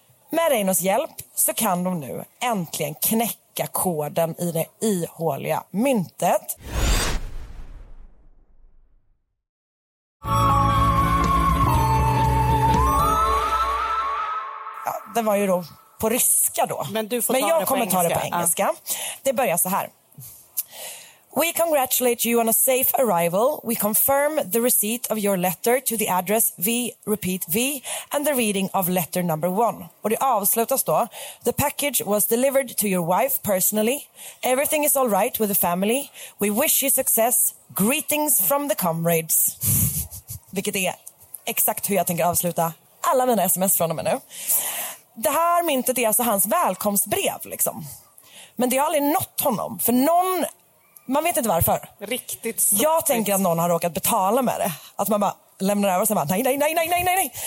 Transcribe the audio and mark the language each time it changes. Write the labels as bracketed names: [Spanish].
[Swedish] Med Reynos hjälp så kan de nu äntligen knäcka koden i det ihåliga myntet. Ja, det var ju då på ryska då. Men du får men ta jag det kommer engelska. Ta det på engelska. Det börjar så här. [English] We congratulate you on a safe arrival. We confirm the receipt of your letter to the address V, repeat V, and the reading of letter number one. [Swedish] Och det avslutas då. [English] The package was delivered to your wife personally. Everything is all right with the family. We wish you success. Greetings from the comrades. [Swedish] Vilket är exakt hur jag tänker avsluta alla mina sms från och med nu. Det här myntet är alltså hans välkomstbrev liksom. Men det har aldrig nått honom. För någon, man vet inte varför. Riktigt så. Jag tänker att någon har råkat betala med det. Att man bara lämnar över och säger nej, nej, nej, nej, nej, nej.